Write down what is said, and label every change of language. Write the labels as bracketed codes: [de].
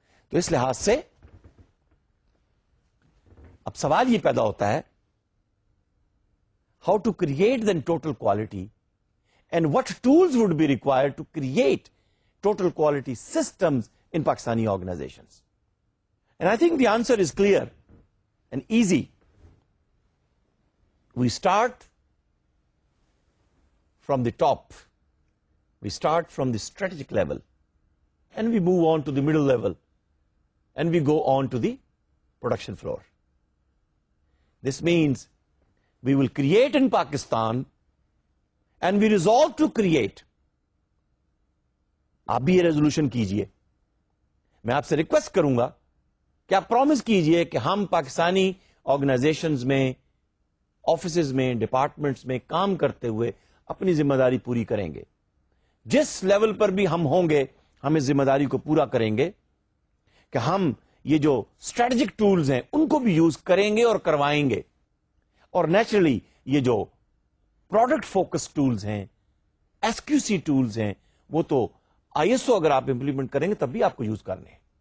[ur] To is lihaz se, اب سوال یہ پیدا ہوتا ہے, [en] How to create then total quality and what tools would be required to create total quality systems in Pakistani organizations. And I think the answer is clear and easy. We start from the top, we start from the strategic level, and we move on to the middle level, and we go on to the production floor. This means we will create in Pakistan and we resolve to create. [ur] آپ بھی یہ resolution کیجیے. میں آپ سے request کروں گا کہ آپ پرومس کیجیے کہ ہم پاکستانی آرگنائزیشنز میں, آفیسز میں, ڈپارٹمنٹس میں کام کرتے ہوئے اپنی ذمہ داری پوری کریں گے. جس لیول پر بھی ہم ہوں گے ہم اس ذمہ داری کو پورا کریں گے کہ ہم یہ جو اسٹریٹجک ٹولز ہیں ان کو بھی یوز کریں گے اور کروائیں گے, اور نیچرلی یہ جو پروڈکٹ فوکس ٹولز ہیں, ایس کیو سی ٹولز ہیں, وہ تو آئی ایس او اگر آپ امپلیمنٹ کریں گے تب بھی آپ کو یوز کرنے ہیں.